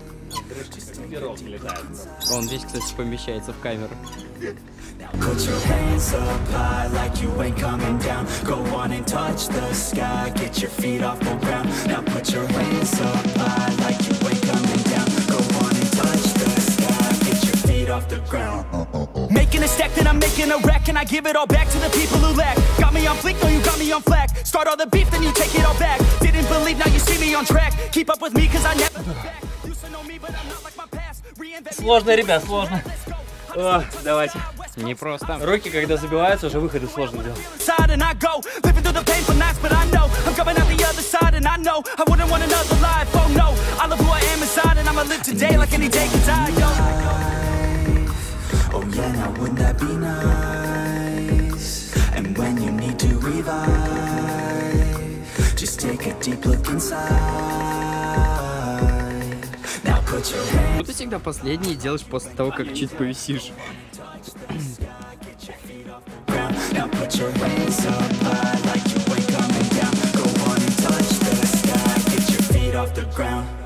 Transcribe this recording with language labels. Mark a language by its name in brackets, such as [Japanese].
[Russian] Андрюшка, он весь, кстати, помещается в камеру. [English] Put your hands up high like you ain't coming down. Go on and touch the sky, get your feet off the ground. Now put your hands up high like you ain't coming down. Go on and touch the sky, get your feet off the ground. Making a stack, then I'm making a wreck, and I give it all back to the people who lack. Got me on fleek, no, you got me on flack. Start all the beef, then you take it all back. Didn't believe, now you see me on track. Keep up with me, cause I never back. Used to know me, but I'm not like my past. [Russian] Сложно, ребят, сложно. Давайте. Не просто. Руки, когда забиваются, уже выходы сложно делать. [English] Oh yeah, now wouldn't that be nice? And when you need to revive, just take a deep look inside. Now put your hands. [Russian] Вот ты всегда последний делаешь после того, как чуть повисишь. [English] Now put your hands up high like you ain't coming down. Go on and touch the sky, get your feet off the ground.